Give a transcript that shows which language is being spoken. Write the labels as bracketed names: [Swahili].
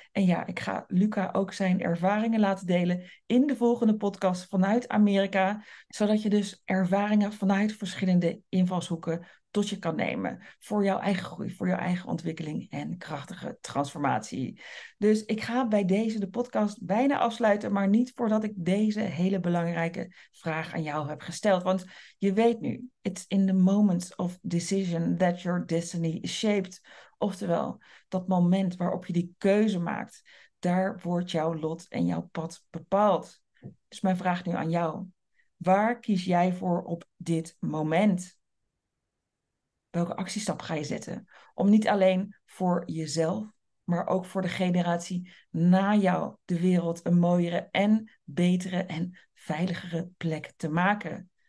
[Dutch] En ja, ik ga Luca ook zijn ervaringen laten delen in de volgende podcast vanuit Amerika, zodat je dus ervaringen vanuit verschillende invalshoeken tot je kan nemen voor jouw eigen groei, voor jouw eigen ontwikkeling en krachtige transformatie. Dus ik ga bij deze de podcast bijna afsluiten, maar niet voordat ik deze hele belangrijke vraag aan jou heb gesteld. Want je weet nu, [English] it's in the moments of decision that your destiny is shaped. [Dutch] Oftewel, dat moment waarop je die keuze maakt, daar wordt jouw lot en jouw pad bepaald. Dus mijn vraag nu aan jou, waar kies jij voor op dit moment? Welke actiestap ga je zetten om niet alleen voor jezelf, maar ook voor de generatie na jou de wereld een mooiere en betere en veiligere plek te maken?